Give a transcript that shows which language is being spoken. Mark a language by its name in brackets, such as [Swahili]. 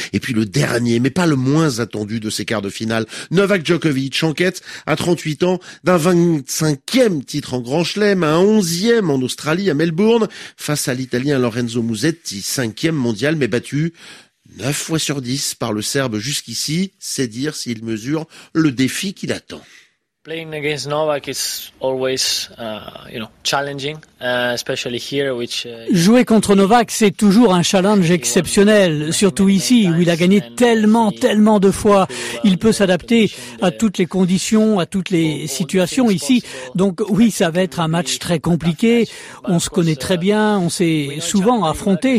[French] Et puis le dernier, mais pas le moins attendu de ces quarts de finale, Novak Djokovic, en quête à 38 ans d'un 25e titre en Grand Chelem, un 11e en Australie, à Melbourne, face à l'Italien Lorenzo Musetti, cinquième mondial, mais battu 9 fois sur 10 par le Serbe jusqu'ici. C'est dire s'il mesure le défi qu'il attend. [English] Playing against Novak is always, you know, challenging, especially here, which. [French] Jouer contre Novak, c'est toujours un challenge exceptionnel, surtout ici où il a gagné tellement, tellement de fois. Il peut s'adapter à toutes les conditions, à toutes les situations ici. Donc oui, ça va être un match très compliqué. On se connaît très bien, on s'est souvent affronté.